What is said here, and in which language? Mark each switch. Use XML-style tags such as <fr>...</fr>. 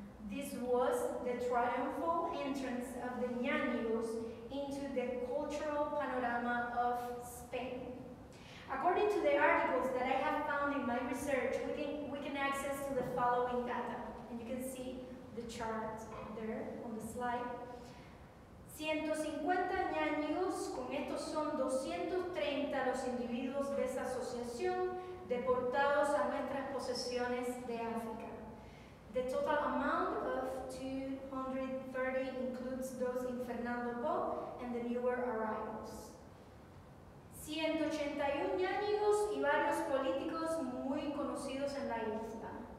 <en>This was the triumphal entrance of the Ñañigos into the cultural panorama of Spain. According to the articles that I have found in my research, we can access to the following data. And you can see the chart there on the slide.</en> <es>150 Ñañigos, con estos son 230 los individuos de esa asociación deportados a nuestras posesiones de África.</es> <en>The total amount of 230 includes those in Fernando Po and the newer arrivals.</en> <es>181 Ñañigos y varios políticos muy conocidos en la isla.</es>